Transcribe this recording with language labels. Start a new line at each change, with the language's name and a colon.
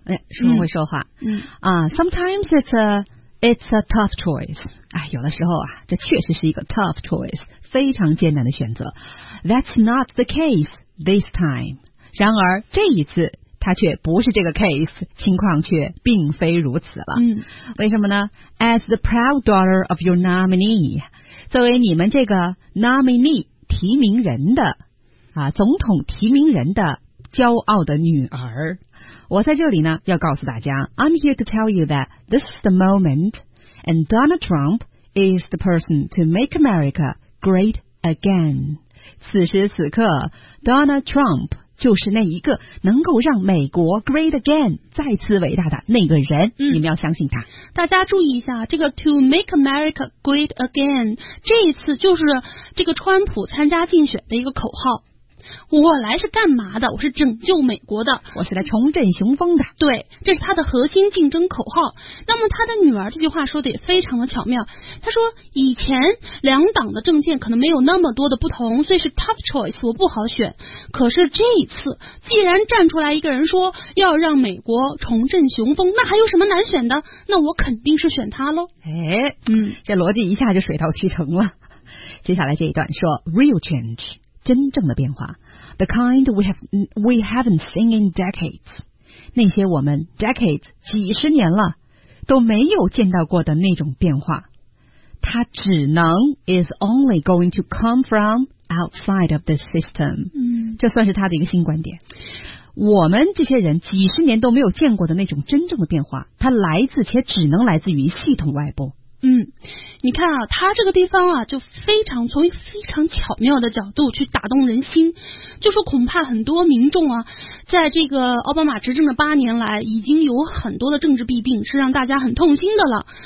Chinese: 是不会说话。
English: Sometimes it's a tough choice。
Chinese: 有的时候啊这确实是一个
English: tough choice，
Chinese: 非常艰难的选择。
English: That's not the case this time，
Chinese: 然而这一次他却不是这个 case， 情况却并非如此了。为什么呢？
English: As the proud daughter of your nominee，
Chinese: 作为你们这个 nominee 提名人的总统提名人的骄傲的女儿，我在这里呢要告诉大家，
English: I'm here to tell you that this is the moment and Donald Trump is the person to make America great again。
Chinese: 此时此刻 Donald Trump就是那一个能够让美国
English: great again
Chinese: 再次伟大的那个人。你们要相信他。大家注意一下这个
English: to make America great again，
Chinese: 这一次就是这个川普参加竞选的一个口号。我来是干嘛的？我是拯救美国的，我是来重振雄风的。对，这是他的核心竞争口号。那么他的女儿这句话说的也非常的巧妙，他说以前两党的政见可能没有那么多的不同，所以是
English: tough choice，
Chinese: 我不好选，可是这一次既然站出来一个人说要让美国重振雄风，那还有什么难选的，那我肯定是选他咯。这逻辑一下就水到渠成了。接下来这一段说
English: real change，
Chinese: 真正的变化 ，
English: the kind we haven't seen in decades，
Chinese: 那些我们 decades 几十年了都没有见到过的那种变化，它只能
English: is only going to come from outside of the system。
Chinese: 这算是他的一个新观点。我们这些人几十年都没有见过的那种真正的变化，它来自且只能来自于系统外部。嗯，你看啊，他这个地方啊，就非常从非常巧妙的角度去打动人心。就说恐怕很多民众啊，在这个奥巴马执政的八年来，已经有很多的政治弊病是让大家很痛心的了。